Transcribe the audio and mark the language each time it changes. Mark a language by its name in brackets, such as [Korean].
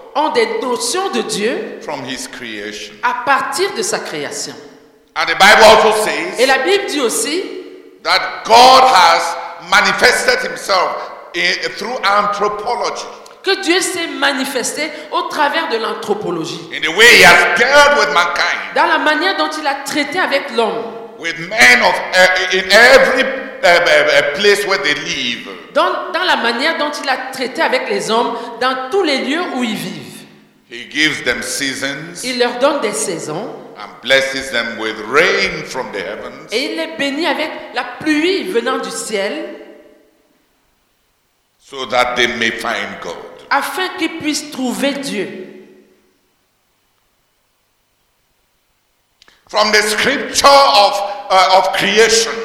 [French] ont des notions de Dieu [English] from his creation. [French] À partir de sa création. [English] And the Bible also says [French] et la Bible dit aussi [English] that God has manifested himself through anthropology. [French] Que Dieu s'est manifesté au travers de l'anthropologie. [English] In the way he has dealt with mankind. [French] Dans la manière dont il a traité avec l'homme. [English] With men of in every place where they live. [French] Dans la manière dont il a traité avec les hommes dans tous les lieux où ils vivent. [English] He gives them seasons. [French] Il leur donne des saisons. [English] And blesses them with rain from the heavens. [French] Et il les bénit avec la pluie venant du ciel. [English] So that they may find God. [French] Afin qu'ils puissent trouver Dieu. [English] From the scripture of creation.